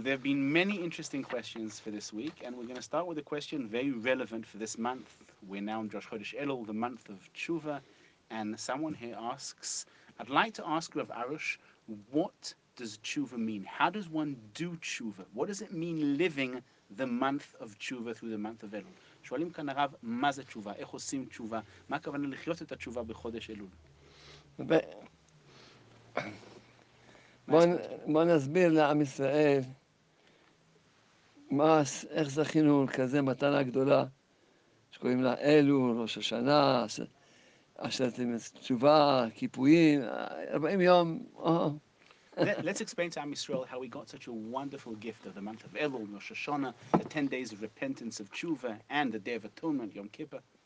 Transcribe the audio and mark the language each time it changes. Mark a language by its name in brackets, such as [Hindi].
[English] There have been many interesting questions for this week, and we're going to start with a question very relevant for this month. We're now in Rosh Chodesh Elul, the month of Tshuva, and someone here asks, I'd like to ask Rav Arush, what does Tshuva mean? How does one do Tshuva? What does it mean living the month of Tshuva through the month of Elul? [Hebrew] שואלים כאן הרב, מה זה תשובה? איך עושים תשובה? מה הכוונה לחיות את התשובה בחודש אלול? בוא נסביר לעם ישראל מה, איך זכינו כזה מתנה גדולה שקוראים לה אלול, ראש השנה, אשרתם תשובה, כיפויים, 40 יום. [English] Let's explain to Am Yisrael how we got such a wonderful gift of the month of Elul, Rosh Hashanah, the 10 days of repentance of Tshuva, and the Day of Atonement, Yom Kippur.